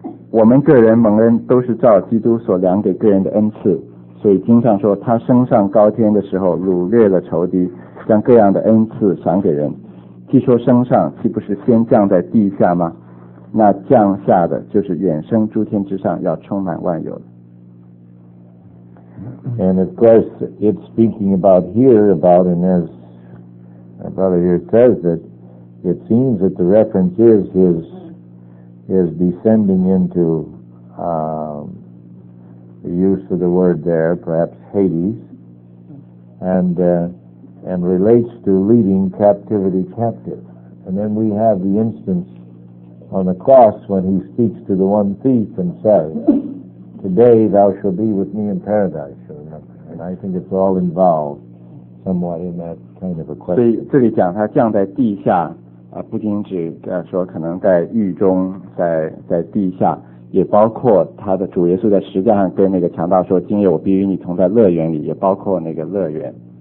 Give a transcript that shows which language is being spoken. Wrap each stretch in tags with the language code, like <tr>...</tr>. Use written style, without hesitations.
<zh>我们个人蒙恩都是照基督所量给个人的恩赐，所以经上说他升上高天的时候掳掠了仇敌，将各样的恩赐赏给人。既说升上，岂不是先降在地下吗？那降下的就是远升诸天之上，要充满万有的。</zh> <en>And of course, it's speaking about here about, and as my brother here says that, it seems that the reference is his descending into the use of the word there, perhaps Hades, and relates to leading captivity captive. And then we have the instance on the cross when he speaks to the one thief and says, Today thou shalt be with me in paradise, you remember. And I think it's all involved somewhat in that kind of a question.</en> <zh>所以这里讲他降在地下啊，不仅指说可能在狱中，在地下，也包括他的主耶稣在十字架上跟那个强盗说：“今夜我必与你同在乐园里。”也包括那个乐园。</zh>